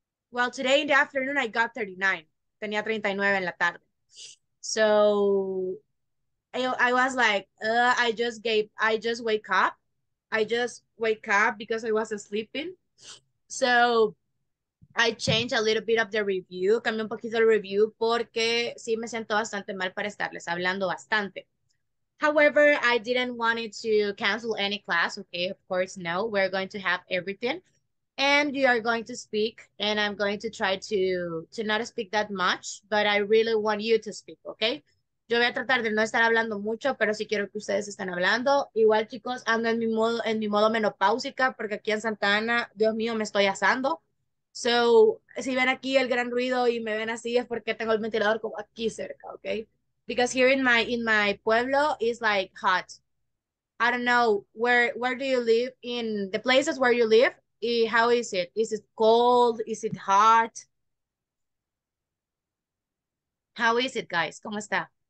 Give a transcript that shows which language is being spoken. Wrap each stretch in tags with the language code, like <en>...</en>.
<en>Well, today in the afternoon I got 39.</en> <es>Tenía 39 en la tarde.</es> <en>So I was like, I just wake up because I was sleeping. So I changed a little bit of the review.</en> <es>Cambié un poquito el review porque sí me siento bastante mal para estarles hablando bastante.</es> <en>However, I didn't want it to cancel any class. Okay, of course, no. We're going to have everything. And you are going to speak. And I'm going to try to not speak that much. But I really want you to speak, okay?</en> <es>Yo voy a tratar de no estar hablando mucho, pero sí quiero que ustedes estén hablando. Igual, chicos, ando en mi modo menopáusica porque aquí en Santa Ana, Dios mío, me estoy asando. So, si ven aquí el gran ruido y me ven así, es porque tengo el ventilador como aquí cerca, okay?</es> <en>Because here in my pueblo, it's like hot. I don't know, where do you live? In the places where you live, how is it? Is it cold? Is it hot? How is it, guys?</en> <es>¿Cómo está?</es>